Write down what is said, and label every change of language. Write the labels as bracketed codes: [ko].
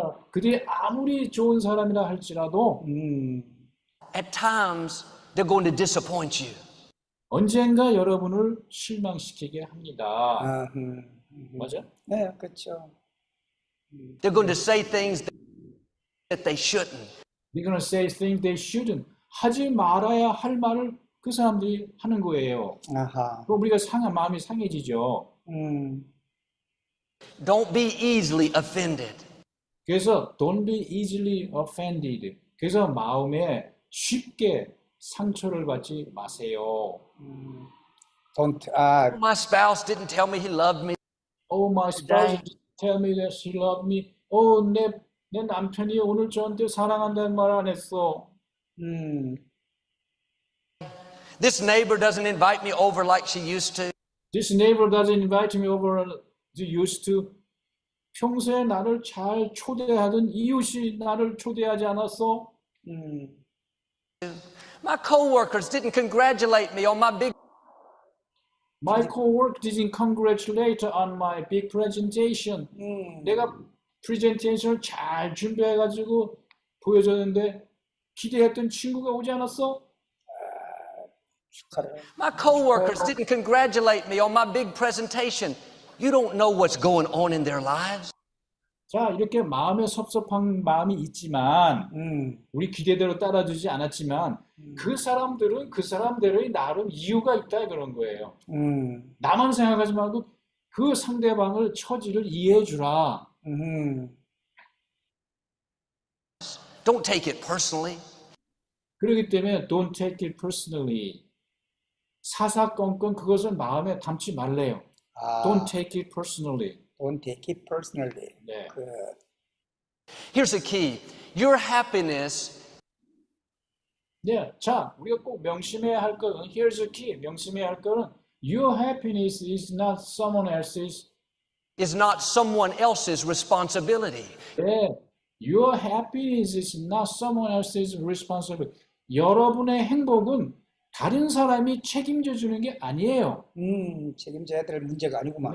[ko] 그들이 아무리 좋은 사람이라 할지라도, [en] at times they're going to disappoint you. [ko] 언젠가 여러분을 실망시키게 합니다. 맞아? 네, 그렇죠. [en] They're going to say things that they shouldn't. They're going to say things they shouldn't. [ko] 하지 말아야 할 말을 그 사람들이 하는 거예요. 아하. 그럼 우리가 상한 마음이 상해지죠. [en] Don't be easily offended. [ko] 그래서 [en] don't be easily offended. [ko] 그래서 마음에 쉽게 상처를 받지 마세요. [en] Don't. My spouse didn't tell me he loved me. Oh, my spouse didn't tell me that she loved me. [ko] Oh, 내 남편이 오늘 저한테 사랑한다는 말 안 했어. [en] This neighbor doesn't invite me over like she used to. This neighbor doesn't invite me over as he used to. [ko] 평소에 나를 잘 초대하던 이웃이 나를 초대하지 않았어. [en] My coworkers didn't congratulate me on my big. My coworker didn't congratulate on my big presentation. [ko] 내가 프레젠테이션을 잘 준비해 가지고 보여줬는데 기대했던 친구가 오지 않았어? [en] My coworkers didn't congratulate me on my big presentation. You don't know what's going on in their lives. [ko] 자, 이렇게 마음에 섭섭한 마음이 있지만 우리 기대대로 따라주지 않았지만 그 사람들은 그 사람들의 나름 이유가 있다 그런 거예요. 나만 생각하지 말고 그 상대방을 처지를 이해해 주라. [en] Don't take it personally. [ko] 그렇기 때문에 [en] don't take it personally. [ko] 사사건건 그것을 마음에 담지 말래요. 아, [en] don't take it personally. Don't take it personally. [ko] 네. [en] Here's the key. Your happiness. [ko] 네, 자, 우리가 꼭 명심해야 할 것은 [en] here's the key. [ko] 명심해야 할 것은 [en] your happiness is not someone else's. Is not someone else's responsibility. 네, your happiness is not someone else's responsibility. [ko] 여러분의 행복은 다른 사람이 책임져 주는 게 아니에요. 책임져야 될 문제가 아니구만.